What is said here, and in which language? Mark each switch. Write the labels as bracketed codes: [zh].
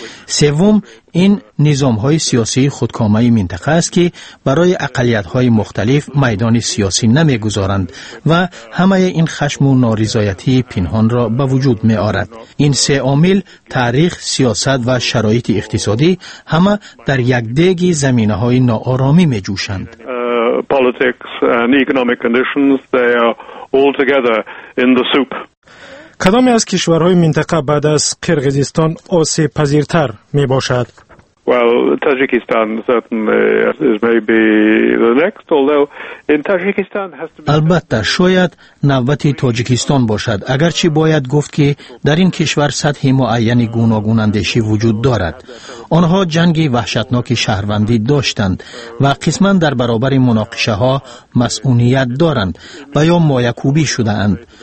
[fa] سوم این نظام های سیاسی خودکامه منطقه است که برای اقلیت های مختلف میدان سیاسی نمی گذارند و همه این خشم و نارضایتی پنهان را به وجود می آرد. این سه عامل، تاریخ، سیاست و شرایط اقتصادی، همه در یک دیگ زمینه های ناآرامی می جوشند. [en] Politics and economic conditions, they are all together in the soup. [fa] کدامی از کشورهای منطقه بعد از قرقیزستان آسیب پذیرتر می باشد؟ [en] Well, Tajikistan certainly is maybe the next, although in Tajikistan has to be... [fa] البته شاید نوبت تاجیکستان باشد، اگرچه باید گفت که در این کشور سطح معینی گوناگون اندیشی وجود دارد. آنها جنگی وحشتناک شهروندی داشتند و قسمان در برابر مناقشه ها مسئولیت دارند و یا مایکوبی شده اند.